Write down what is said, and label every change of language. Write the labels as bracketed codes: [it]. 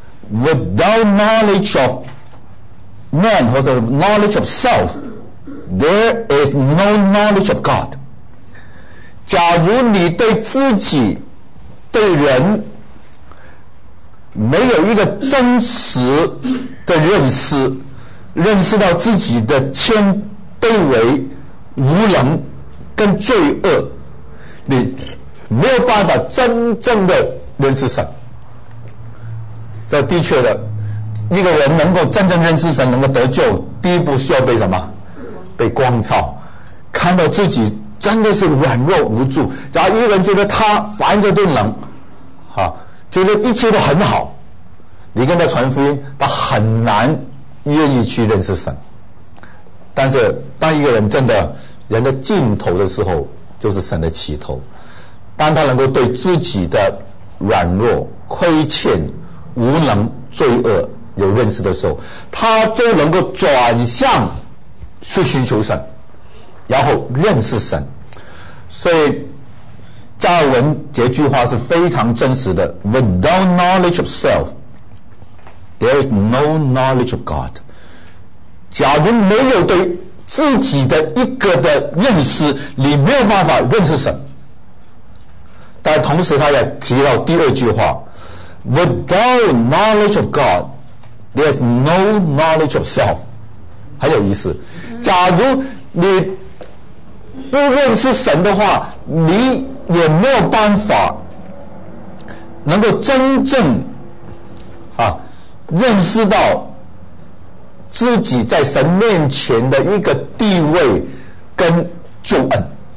[en] Without knowledge of man, or the knowledge of self, there is no knowledge of God. [zh] 假如你对自己，对人，没有一个真实的认识，认识到自己的谦卑为无能跟罪恶，你没有办法真正的认识神。这的确的，一个人能够真正认识神，能够得救，第一步需要被什么？被光照，看到自己真的是软弱无助。假如一个人觉得他凡事都能，觉得一切都很好，你跟他传福音，他很难愿意去认识神。但是当一个人真的人的尽头的时候，就是神的起头。当他能够对自己的软弱、亏欠、无能、罪恶有认识的时候，他就能够转向去寻求神，然后认识神。所以加尔文这句话是非常真实的， [en] Without knowledge of self, there is no knowledge of God. [zh] 假如没有对自己的一个的认识，你没有办法认识神。但同时他也提到第二句话， [en] Without knowledge of God, there is no knowledge of self. [zh] 很有意思，假如你不认识神的话，你也没有办法能够真正认识到自己在神面前的一个地位跟救恩。